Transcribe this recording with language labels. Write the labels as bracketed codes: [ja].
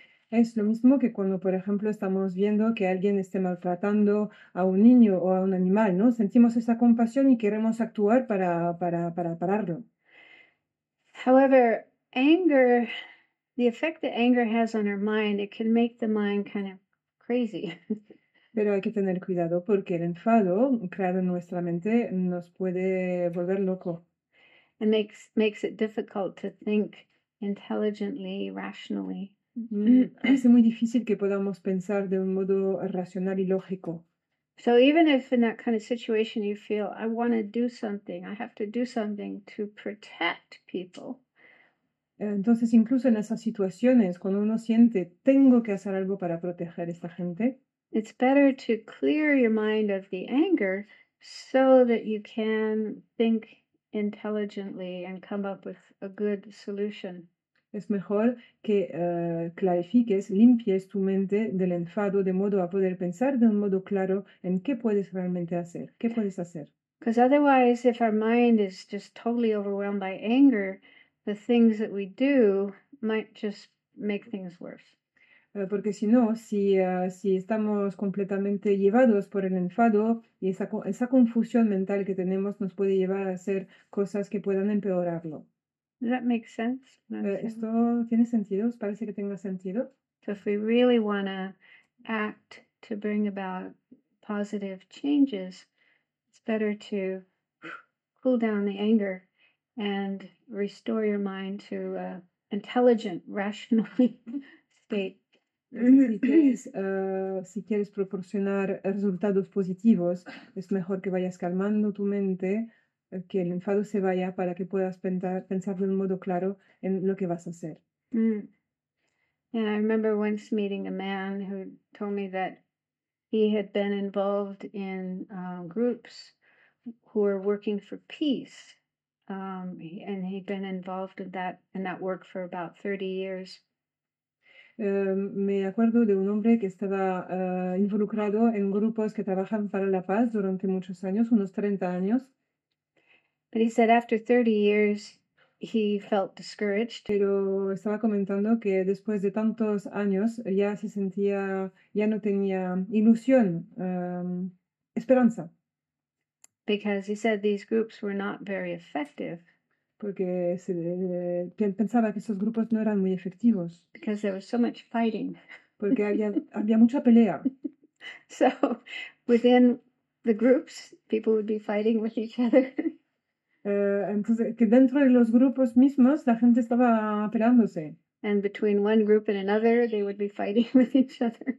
[es] Es lo mismo que cuando, por ejemplo, estamos viendo que alguien esté maltratando a un niño o a un animal, ¿no? Sentimos esa compasión y queremos actuar para pararlo. [en] However, anger, the effect that anger has on our mind, it can make the mind kind of crazy. [es] Pero hay que tener cuidado porque el enfado creado en nuestra mente nos puede volver loco. [en] And makes it difficult to think intelligently, rationally. [es] Hace muy difícil que podamos pensar de un modo racional y lógico. [en] So even if in that kind of situation you feel I want to do something, I have to do something to protect people. [es] Entonces, incluso en esas situaciones, cuando uno siente, tengo que hacer algo para proteger a esta gente. [en] It's better to clear your mind of the anger so that you can think intelligently and come up with a good solution. [es] Es mejor que clarifiques, limpies tu mente del enfado de modo a poder pensar de un modo claro en qué puedes realmente hacer, qué puedes hacer. [en] Because otherwise, if our mind is just totally overwhelmed by anger, the things that we do might just make things worse. [es] Porque si no, si estamos completamente llevados por el enfado y esa confusión mental que tenemos nos puede llevar a hacer cosas que puedan empeorarlo. [en] Does that make sense? What I'm saying? [es] ¿Esto tiene sentido? ¿Os parece que tenga sentido? [en] So if we really want to act to bring about positive changes, it's better to cool down the anger and restore your mind to an intelligent, rational state. [es] Si quieres proporcionar resultados positivos, es mejor que vayas calmando tu mente. Que el enfado se vaya para que puedas pensar de un modo claro en lo que vas a hacer. [en] And I remember once meeting a man who told me that he had been involved in groups who were working for peace. And he'd been involved in that work for about 30 years. [es] Me acuerdo de un hombre que estaba involucrado en grupos que trabajan para la paz durante muchos años, unos 30 años. [en] But he said after 30 years, he felt discouraged. [es] Pero estaba comentando que después de tantos años ya se sentía, ya no tenía ilusión, esperanza. [en] Because he said these groups were not very effective. [es] Porque pensaba que esos grupos no eran muy efectivos. [en] Because there was so much fighting. [es] Porque había mucha pelea. [en] So, within the groups, people would be fighting with each other. [es] Entonces, que dentro de los grupos mismos la gente estaba peleándose. [en] And between one group and another, they would be fighting with each other.